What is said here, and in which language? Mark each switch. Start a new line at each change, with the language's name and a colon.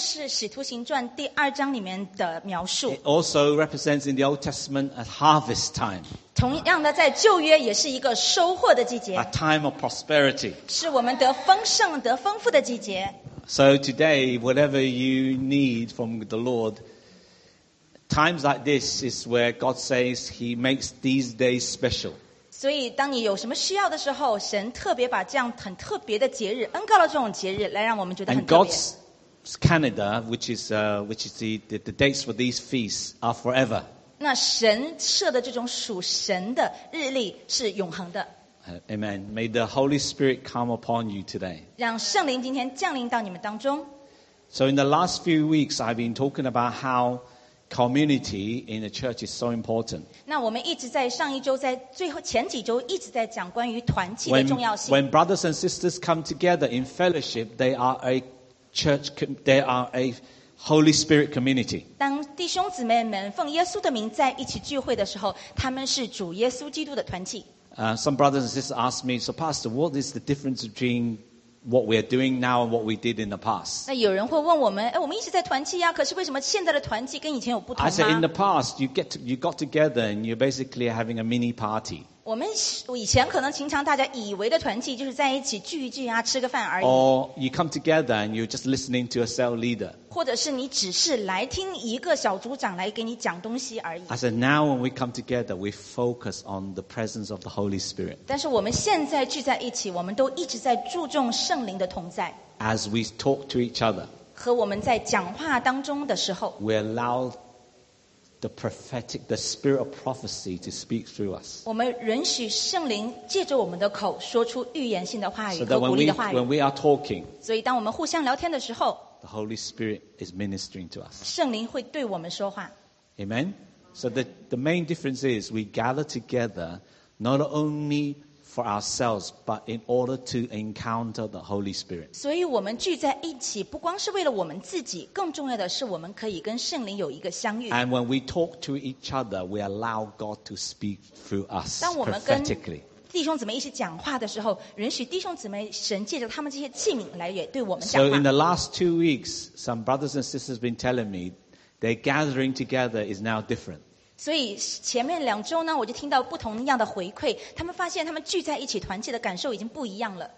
Chinese: 是《使徒行传》第二章里面的描述。
English: It also represents in the Old Testament a harvest time.
Chinese: 同样的，在旧约也是一个收获的季节。
English: A time of prosperity.
Chinese: 是我们得丰盛、得丰富的季节。
English: So today, whatever you need from the Lord, times like this is where God says He makes these days special.
Chinese: 所以当你有什么需要的时候，神特别把这样很特别的节日，恩膏了这种节日，来让我们觉得很特别。
English: And God's Canada, which is the dates for these feasts, are forever.
Chinese: 那神设的这种属神的日历是永恒的。
English: Amen. May the Holy Spirit come upon you today.
Chinese: 让圣灵今天降临到你们当中。
English: So in the last few weeks, I've been talking about how community in the church is so important.
Chinese: 那我们一直在上一周，在最后前几周一直在讲关于团契的重要性。
English: When brothers and sisters come together in fellowship, they are a church. They are a Holy Spirit community.
Chinese: 当弟兄姊妹们奉耶稣的名在一起聚会的时候，他们是主耶稣基督的团契。
English: Some brothers and sisters ask me, so Pastor, what is the difference between what we are doing now and what we did in the past?
Chinese: 那有人会问我们，哎，我们一直在团契呀，可是为什么现在的团契跟以前有不同吗？
English: I said, in the past, you got together and you're basically having a mini party.
Chinese: 我们以前可能平常大家以为的团契就是在一起聚一聚啊，吃个饭而已。
English: Or you come together and you're just listening to a cell leader.
Chinese: 或者是你只是来听一个小组长来给你讲东西而已。
English: I said, now when we come together, we focus on the presence of the Holy Spirit.
Chinese: 但是我们现在聚在一起，我们都一直在注重圣灵的同在。
English: As we talk to each other,
Chinese: 和我们在讲话当中的时候
English: we allow the spirit of prophecy to speak through us.
Chinese: 我们允许圣灵借着我们的口说出预言性的话语和鼓励的话语。
English: So that when we are talking,
Chinese: 所以当我们互相聊天的时候
English: the Holy Spirit is ministering to us.
Chinese: 圣灵会对我们说话。
English: Amen? So the main difference is we gather together not only for ourselves, but in order to encounter the Holy Spirit.
Chinese: 所以我们聚在一起不光是为了我们自己，更重要的是我们可以跟圣灵有一个相遇。
English: And when we talk to each other, we allow God to speak through us prophetically.
Chinese: 当我们跟弟兄姊妹一起讲话的时候，允许弟兄姊妹神借着他们这些器皿来也对我们讲话。
English: So in the last 2 weeks, some brothers and sisters have been telling me their gathering together is now different.
Chinese: 所以前面两周呢，我就听到不同样的回馈。他们发现他们聚在一起团契的感受已经不一样了。